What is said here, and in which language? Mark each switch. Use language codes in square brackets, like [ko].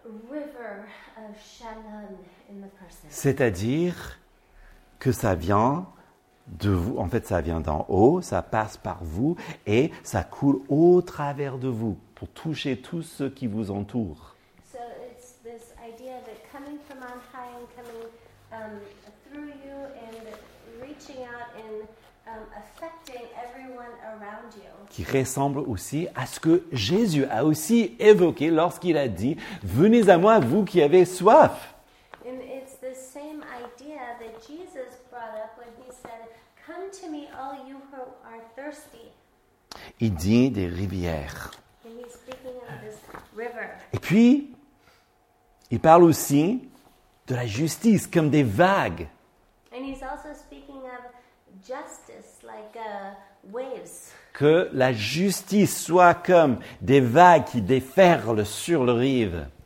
[en] River of shalom in the person. [fr] C'est-à-dire que ça vient de vous, en fait ça vient d'en haut, ça passe par vous et ça coule au travers de vous pour toucher tous ceux qui vous entourent. [en] So it's this idea that coming from on high and coming through you and reaching out and affecting everyone around you. [fr] Qui ressemble aussi à ce que Jésus a aussi évoqué lorsqu'il a dit « Venez à moi, vous qui avez soif !» [en] And it's the same idea that Jesus brought up when he said « Come to me, all you who are thirsty !» [fr] Il dit des rivières. [en] And he's speaking of this river. [fr] Et puis, il parle aussi de la justice comme des vagues. [en] And he's also speaking of justice, like waves. [fr] Que la justice soit comme des vagues qui déferlent sur le rive.